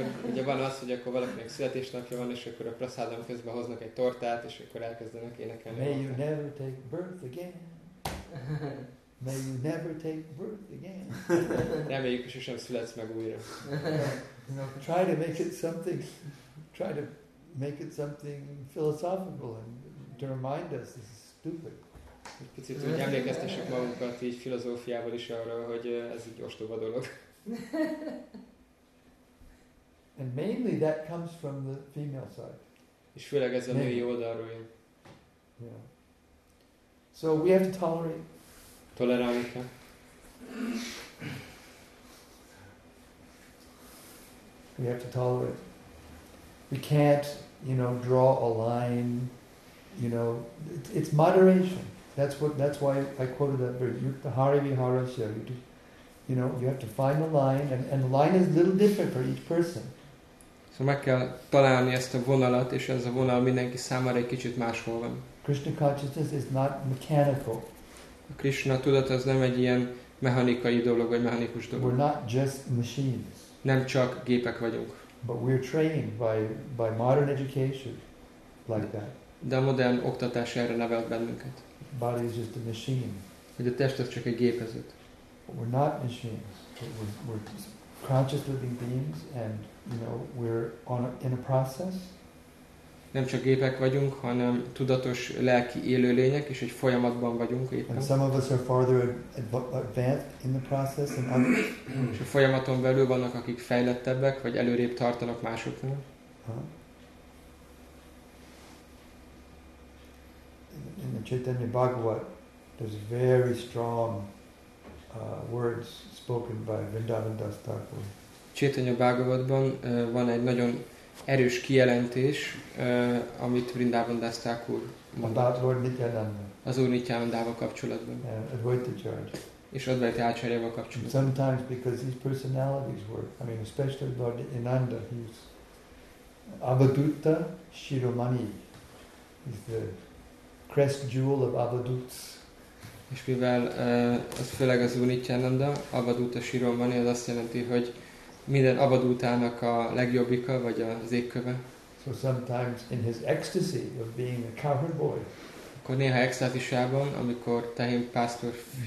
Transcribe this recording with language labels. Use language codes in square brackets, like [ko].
[hu] Ugye van az, hogy akkor valakinek születésnapja van, és akkor a prasádam közben hoznak egy tortát, és akkor elkezdenek énekelni. [en] May you never take birth again. May you never take birth again. [hu] Reméljük, hogy sosem születsz meg újra. [en] You know, try to make it something, try to make it something philosophical and to remind us this is stupid. [hu] Picit úgy emlékeztessük magunkat így filozófiával is arra, hogy ez egy ostoba dolog. [en] And mainly that comes from the female side. [hu] És főleg ez a női oldalról jön. [en] Yeah. So we have to tolerate. [hu] Tolerálni kell. [en] We have to tolerate. We can't, you know, draw a line. You know, it's moderation. That's why I quoted that verse. [sa] Yukta Hari Vihara Shari. [en] You know, you have to find a line, and the line is a little different for each person. [hu] So meg kell találni ezt a vonalat, és ez a vonal mindenki számára egy kicsit máshol van. [en] Krishna consciousness is not mechanical. [hu] A Krishna tudat az nem egy ilyen mechanikai dolog, vagy mechanikus dolog. [en] We're not just machines. [hu] Nem csak gépek vagyunk. [en] But we're trained by modern education like that. [hu] De a modern oktatás erre nevelt bennünket. [en] Body is just a machine. [hu] Hogy a test az csak egy gépezet. [en] We're not machines. We're conscious living beings, and you know we're in a process. [hu] Nem csak gépek vagyunk, hanem tudatos lelki élőlények, és egy folyamatban vagyunk éppen. [en] And some of us are farther advanced in the process than others. [hu] És a folyamaton belül vannak, akik fejlettebbek, vagy előrébb tartanak másoknál. [en] In the Chaitanya Bhagavat, there's very strong words spoken by Vrindavan Das Thakur. [hu] Chaitanya Bhagavatban van egy nagyon erős kijelentés, amit Vrindavan Das Thakur mondott. [en] About Lord Nityananda. [hu] Az Úr Nityanandával kapcsolatban. [en] And Advaita Acharya. [hu] És Advaita Acharyával kapcsolatban. [en] And sometimes because these personalities work, I mean, especially Lord Nityananda, he's Avadutta Shiromani. He's the crest jewel of Avadutts. [hu] És mivel ez főleg az Úr Nityananda, Avadutta Shiromani, az azt jelenti, hogy minden Avadutának a legjobbika, vagy az égköve. [en] So sometimes in his ecstasy of being a cowherd boy. [hu] Akkor néha extázisában, amikor tehén pásztor fiú